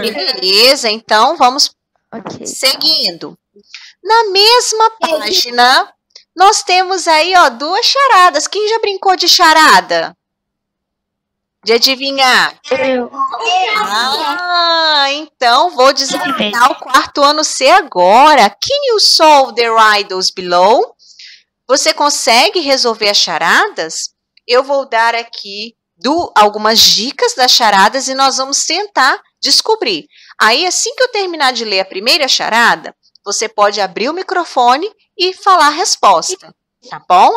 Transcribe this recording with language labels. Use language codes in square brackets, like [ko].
[pt] Beleza, então vamos seguindo. Na mesma página, nós temos aí ó, duas charadas. Quem já brincou de charada? De adivinhar? Eu. Ah, então vou desafiar o quarto ano C agora. [en] Can you solve the riddles below? [pt] Você consegue resolver as charadas? Eu vou dar aqui algumas dicas das charadas e nós vamos tentar descobrir. Aí, assim que eu terminar de ler a primeira charada, você pode abrir o microfone e falar a resposta. Tá bom?